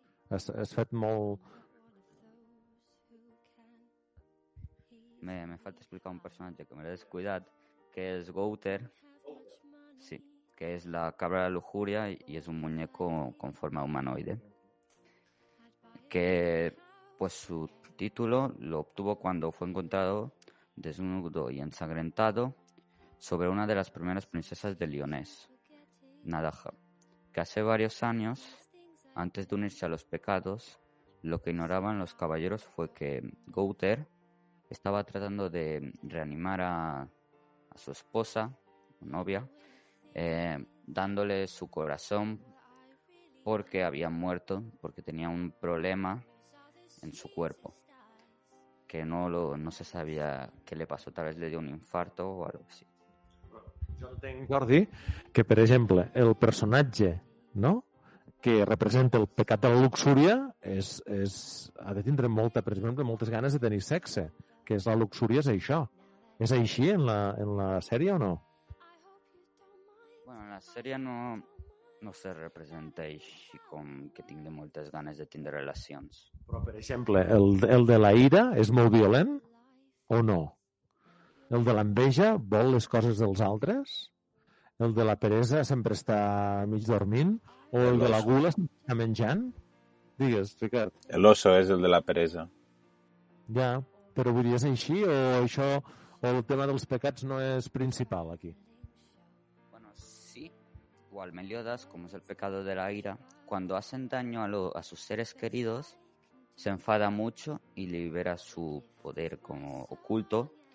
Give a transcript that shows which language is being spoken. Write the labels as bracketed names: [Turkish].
[Catalan] Has fet molt... Me falta explicar un personatge que me l'he descuidat, que és Gouter. Sí, que és la cabra de la lujúria i és [Spanish] un muñeco con forma humanoide. Que, pues, su título lo obtuvo cuando fue encontrado desnudo y ensangrentado sobre una de las primeras princesas de Lyonés, Nadaja, que hace varios años, antes de unirse a los pecados, lo que ignoraban los caballeros fue que Gouter estaba tratando de reanimar a su esposa, su novia, dándole su corazón porque había muerto, porque tenía un problema en su cuerpo, que no se sabía qué le pasó, tal vez le dio un infarto o algo así. [Catalan] Jo entenc, Jordi, que, per exemple, el personatge, no?, que representa el pecat de la luxúria és ha de tindre, molta, per exemple, moltes ganes de tenir sexe, que és la luxúria, és això. És així en la sèrie o no? Bueno, la sèrie no se representa així com que tingui moltes ganes de tindre relacions. Però, per exemple, el de la ira és molt violent o no? El de l'enveja vol les coses dels altres? El de la peresa sempre està mig dormint? O el de la gula està menjant? Digues, Ricard. L'oso és el de la peresa. Ja, però vull dir, és així? O això, o el tema dels pecats no és principal aquí? Bueno, sí. [Spanish] O al Meliodas, com és el pecado de la ira, quan hacen daño a sus seres queridos, se enfada mucho y libera su poder como oculto.